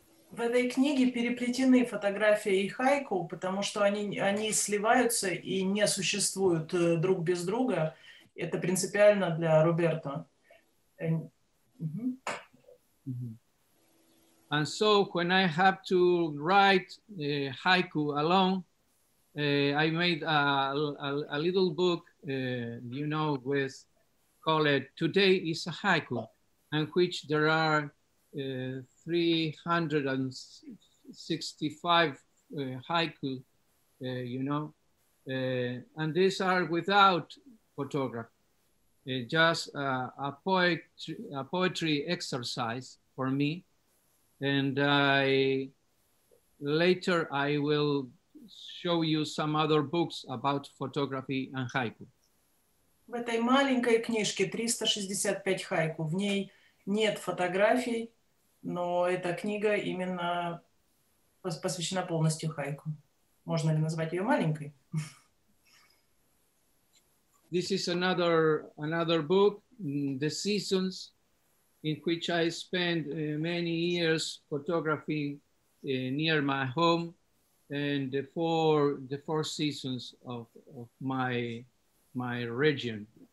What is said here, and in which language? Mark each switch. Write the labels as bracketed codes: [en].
[ru] В этой книге переплетены фотография и хайку, потому что они сливаются и не существуют друг без друга. Это принципиально для Роберто. Mm-hmm. Mm-hmm. [en] And so when I have to write a haiku alone, I made a little book, you know, with called Today is a Haiku, in which there are 365 haiku, you know, and these are without photograph, just a poetry exercise for me. And later I will show you some other books about photography and haiku. [ru] В этой маленькой книжке 365 хайку, в ней нет фотографий, но эта книга именно посвящена полностью хайку. Можно ли назвать ее маленькой? [en] This is another book, The Seasons, in which I spent many years photographing near my home, and the four seasons of my region.